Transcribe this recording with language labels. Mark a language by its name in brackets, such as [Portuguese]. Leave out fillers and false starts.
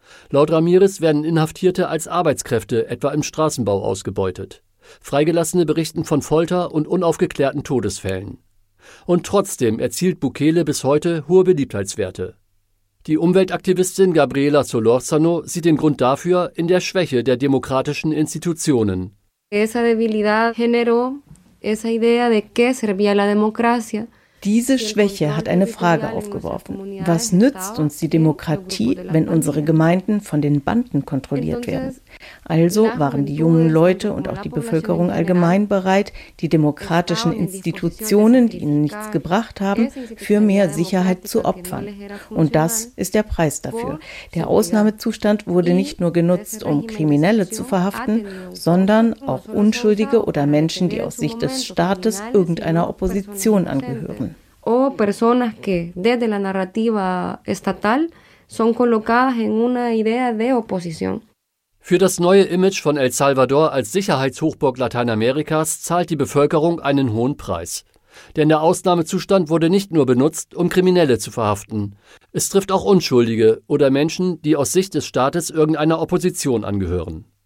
[German] Laut Ramirez werden Inhaftierte als Arbeitskräfte etwa im Straßenbau ausgebeutet. Freigelassene berichten von Folter und unaufgeklärten Todesfällen. Und trotzdem erzielt Bukele bis heute hohe Beliebtheitswerte. Die Umweltaktivistin Gabriela Solorzano sieht den Grund dafür in der Schwäche der demokratischen Institutionen. [Spanish] Esa debilidad generó esa idea de que servía la democracia. [German] Diese Schwäche hat eine Frage aufgeworfen. Was nützt uns die Demokratie, wenn unsere Gemeinden von den Banden kontrolliert werden? Also waren die jungen Leute und auch die Bevölkerung allgemein bereit, die demokratischen Institutionen, die ihnen nichts gebracht haben, für mehr Sicherheit zu opfern. Und das ist der Preis dafür. Der Ausnahmezustand wurde nicht nur genutzt, um Kriminelle zu verhaften, sondern auch Unschuldige oder Menschen, die aus Sicht des Staates irgendeiner Opposition angehören. [Spanish] O personas que desde la narrativa estatal son colocadas en una idea de oposición. [German] Für das neue Image von El Salvador als Sicherheitshochburg Lateinamerikas zahlt die Bevölkerung einen hohen Preis. Denn der Ausnahmezustand wurde nicht nur benutzt, um Kriminelle zu verhaften. Es trifft auch Unschuldige oder Menschen, die aus Sicht des Staates irgendeiner Opposition angehören.